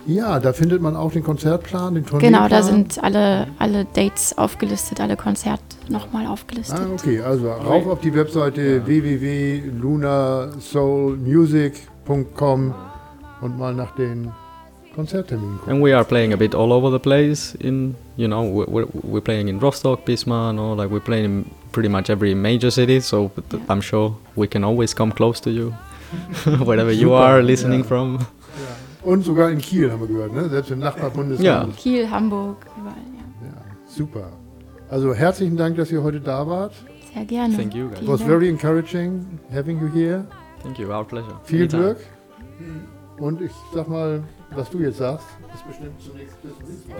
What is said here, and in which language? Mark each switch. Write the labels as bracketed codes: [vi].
[de] Ja, da findet man auch den Konzertplan, den Tourneeplan. Genau, da sind alle Dates aufgelistet, alle Konzert nochmal aufgelistet. Ah, okay, also rauf auf die Webseite www.lunasoulmusic.com und mal nach den Konzertterminen gucken. [en] And we are playing a bit all over the place in, you know, we're playing in Rostock, Bismarck, or like we're playing in pretty much every major city, so yeah. I'm sure we can always come close to you, wherever super, you are listening from. Yeah. [de] Und sogar in Kiel, haben wir gehört, ne? Selbst im Nachbarbundesland. Ja, Kiel, Hamburg, überall, ja. Ja, super. Also herzlichen Dank, dass ihr heute da wart. Sehr gerne. [en] Thank you, guys. It was very encouraging having you here. Thank you, our pleasure. [de] Viel [en] anytime. [de] Glück. Und ich sag mal, was du jetzt sagst, ist bestimmt zunächst